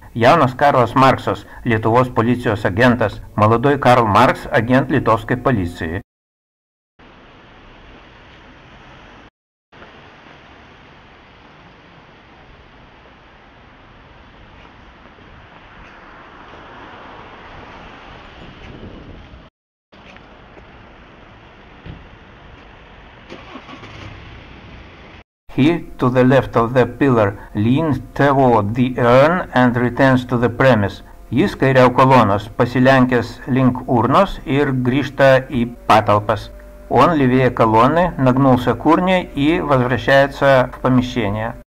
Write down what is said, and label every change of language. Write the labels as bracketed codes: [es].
[lt] Jaunas Karlas Marksas, Lietuvos policijos agentas. [ru] Молодой Карл Маркс, агент литовской полиции. [en] He, to the left of the pillar, leans toward the urn and returns to the premise. [lt] Jis kairiau kolonos, pasilenkęs link urnos ir grįžta į patalpas. [ru] Он левее колонны, нагнулся к урне и возвращается в помещение.